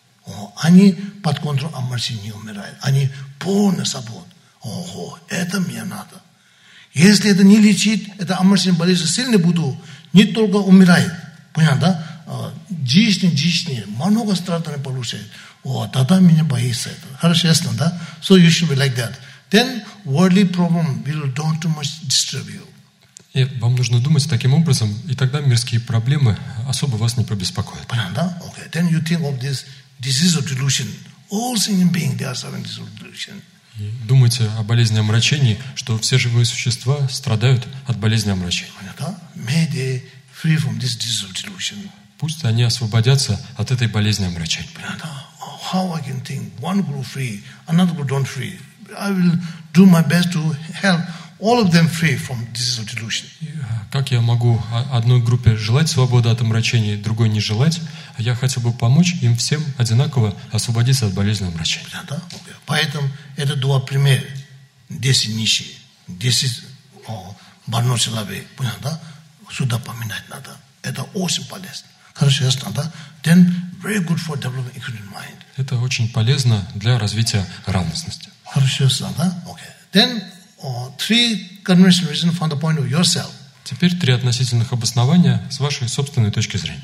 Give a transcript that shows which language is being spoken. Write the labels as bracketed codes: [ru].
[ru] О, они под контролем омрачения не умирают, они полный свобод. Ого, это мне надо. Если это не лечит, это омрачение болезнь сильно буду, не только умирает, понятно, да? Дичь, много страданий получает. О, тогда меня боится это. Хорошо, ясно, да? [en] So you should be like that. Then worldly problem will don't too much disturb you. [ru] И вам нужно думать таким образом, и тогда мирские проблемы особо вас не побеспокоят. Понятно, да? Okay. [en] Then you think of this disease of delusion. All sentient beings, they are suffering this delusion. [ru] Думайте о болезни омрачений, что все живые существа страдают от болезни омрачений. Понятно, да? [en] May they free from this disease of delusion. [ru] Пусть они освободятся от этой болезни омрачений. Понятно, да? [en] How I can think one group free, another group don't free. I will do my best to help all of them free from this delusion. [ru] Как я могу одной группе желать свободы от омрачений, другой не желать? Я хотел бы помочь им всем одинаково освободиться от болезни омрачений. Да, да? Okay. Поэтому это два примера. 10 нищие, 10 больной человек. Понятно, да? Сюда поминать надо. Это очень полезно. Хорошо, ясно, да? [en] Then very good for developing equanimous mind. [ru] Это очень полезно для развития равностности. Хорошо, ясно, да? Okay. [en] Then three conventional reasons from the point of yourself. [ru] Теперь три относительных обоснования с вашей собственной точки зрения.